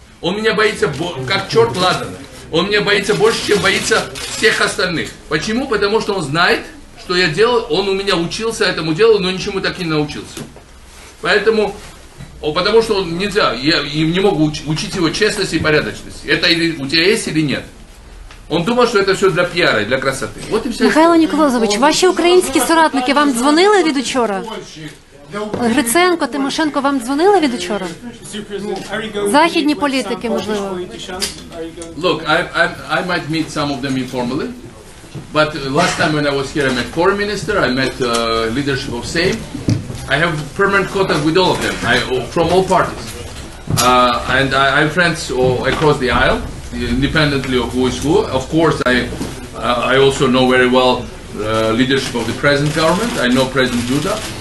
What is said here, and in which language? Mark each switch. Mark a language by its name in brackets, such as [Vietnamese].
[Russian] Он меня боится, как черт ладана. Он меня боится больше, чем боится всех остальных. Почему? Потому что он знает, что я делал. Он у меня учился этому делу, но ничему так и не научился. Поэтому, потому что он нельзя, я не могу учить его честности и порядочности. Это или у тебя есть или нет. Он думал, что это все для пиара, для красоты. Вот и вся. [Ukrainian] Михайло Ніколозович, ваші українські соратники вам дзвонили від учора? Гриценко, Тимошенко вам дзвонили від учора? Західні політики, можливо. [English] Look, I might meet some of them informally. But last time when I was here, I met foreign minister, I met leadership of Sejm. I have permanent contact with all of them, from all parties. And I have friends across the aisle. Independently of who is who, of course, I also know very well leadership of the present government. I know President Duda.